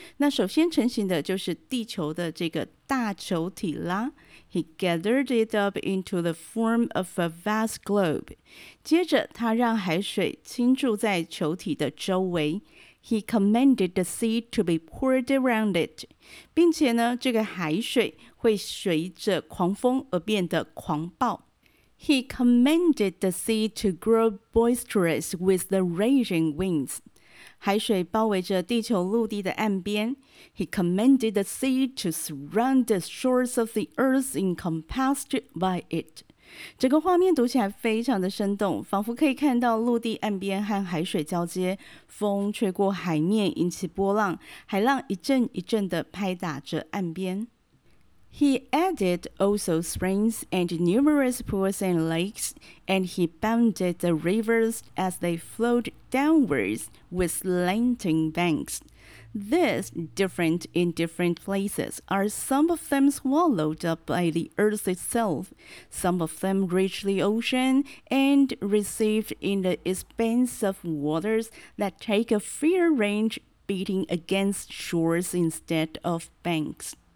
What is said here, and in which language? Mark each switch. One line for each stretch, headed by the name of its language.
Chinese: 那首先成型的就是地球的这个大球体啦。
English: He gathered it up into the form of a vast globe。
Chinese: 接着他让海水倾注在球体的周围。
English: He commanded the sea to be poured around it.
Chinese: 并且呢，这个海水会随着狂风而变得狂暴。
English: He commanded the sea to grow boisterous with the raging winds.
Chinese: 海水包围着地球陆地的岸边。
English: He commanded the sea to surround the shores of the earth encompassed by it.
Chinese: 整个画面读起来非常的生动，仿佛可以看到陆地岸边和海水交接，风吹过海面引起波浪，海浪一阵一阵的拍打着岸边。
English: He added also springs and numerous pools and lakes, and he bounded the rivers as they flowed downwards with slanting banks. This, different in different places, are some of them swallowed up by the earth itself, some of them reach the ocean and received in the expanse of waters that take a fair range beating against shores instead of banks.